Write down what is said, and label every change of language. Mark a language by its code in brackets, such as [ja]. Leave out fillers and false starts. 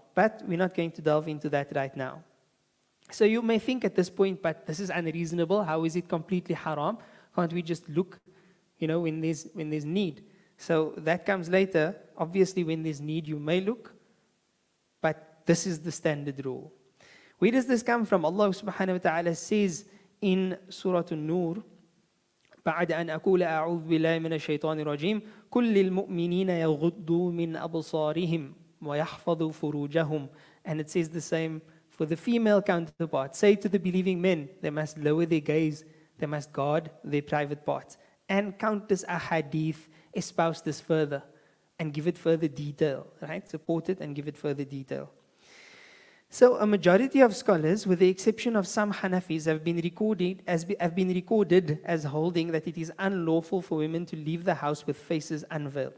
[en] But we're not going to delve into that right now. So you may think at this point, but this is unreasonable. How is it completely haram? Can't we just look, you know, when there's need? So that comes later. Obviously, when there's need, you may look. But this is the standard rule. Where does this come from? Allah subhanahu wa ta'ala says in Surah An-Nur, [ar] بعد أن أقول أعوذ بالله من الشيطان الرجيم كل المؤمنين يغضوا من أبصارهم ويحفظوا فروجهم. [en] And it says the same for the female counterpart. Say to the believing men, they must lower their gaze, they must guard their private parts. And countless ahadith espouse this further and give it further detail, right? Support it and give it further detail. So a majority of scholars, with the exception of some Hanafis, have been recorded as holding that it is unlawful for women to leave the house with faces unveiled.